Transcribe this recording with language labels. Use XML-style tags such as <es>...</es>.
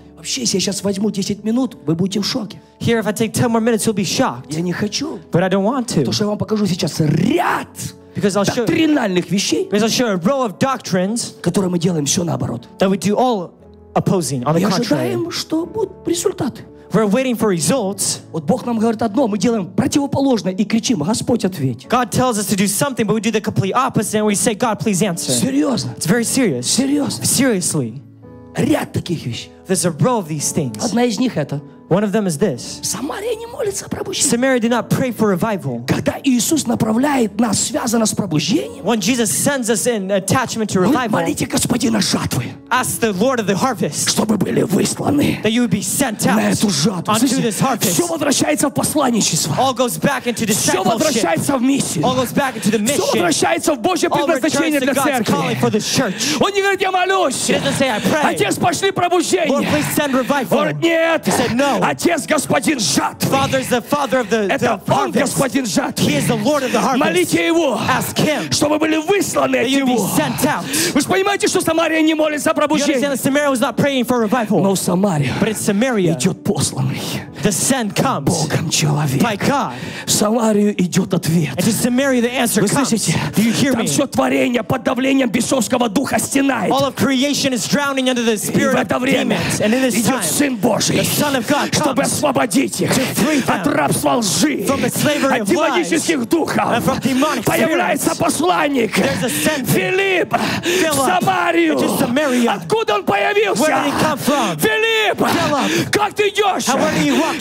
<ru>Вообще, если я сейчас возьму 10 минут, вы будете в шоке.</ru> <en>Here, if I take 10 more minutes, you'll be shocked.</en> <ru>Я не хочу.</ru> <en>But I don't want to.</en> <ru>То, что я вам покажу сейчас, ряд доктринальных вещей.</ru> <en>Because I'll show a row of doctrines.</en> <ru>Которые мы делаем все наоборот.</ru> <en>That we do all opposing, on the contrary.</en> <ru>Ожидаем, что будут результаты.</ru> <en>We're waiting for results.</en> <ru>Вот Бог нам говорит одно, мы делаем противоположное и кричим, Господь ответь.</ru> <en>God tells us to do something, but we do the complete opposite, and we say, God, please answer.</en> <ru>Серьезно.</ru> <en>It's very serious.</en> <ru>Серьезно.</ru> <en>Seriously.</en> <ru>Ряд таких вещей.</ru> <en>There's a row of these things.</en> <ru>Одна из них это.</ru> <en>One of them is this.</en> <ru>Самария не молится о пробуждении.</ru> <en>Samaria did not pray for revival.</en> <ru>Когда Иисус направляет нас, связано с пробуждением.</ru> <en>When Jesus sends us in attachment to revival.</en> <ru>Вы молите Господина жатвы.</ru> <en>Ask the Lord of the harvest.</en> <ru>Чтобы были высланы.</ru> <en>That you would be sent out.</en> <ru>На эту жатву.</ru> <en>Onto</en> <ru>Слушайте,</ru> <en>this harvest.</en> <ru>Все возвращается в посланничество.</ru> <en>All goes back into discipleship.</en> <ru>Все возвращается в миссию.</ru> <en>All goes back into the mission.</en> <ru>Все возвращается в Божье предназначение для церкви.</ru> <en>All returns to God's calling for the church.</en> <ru>Он не говорит, я молюсь.</ru> <en>He doesn't say I pray.</en> <ru>Отец, пошли пробуждение.</ru> <en>Lord, please send revival.</en> <ru>Нет.</ru> <en>He said no.</en> <ru>Отец Господин жатвы.</ru> <en>Father is the father of the harvest.</en> <ru>Это Он Господин жатвы.</ru> <en>He is the Lord of the harvest.</en> <ru>Молите Его.</ru> <en>Ask Him.</en> <ru>Чтобы были высланы от Него.</ru> <en>Sent out.</en> <ru>Вы же понимаете, что Самария не молится о пробуждении.</ru> <en>You understand that Samaria was not praying for revival.</en> <ru>Но Самария.</ru> <en>But it's Samaria.</en> <ru>Идет посланный.</ru> <en>The send comes.</en> <ru>Богом человек.</ru> <en>By God.</en> <ru>В Самарию идет ответ.</ru> <en>It is Samaria the answer comes.</en> <ru>Вы слышите?</ru> <en>Do you hear me?</en> <ru>Там все творение под давлением бесовского духа стенает.</ru> <en>All of creation is drowning under the spirit of demons. And in this</en> <ru>идет</ru> <en>time.</en> <ru>Идет Сын Божий.</ru> <en>The Son of God.</en> <ru>Чтобы освободить их от рабства лжи, от демонических духов. Появляется посланник Филипп в Самарию. Откуда он появился? Филипп, как ты идешь?</ru>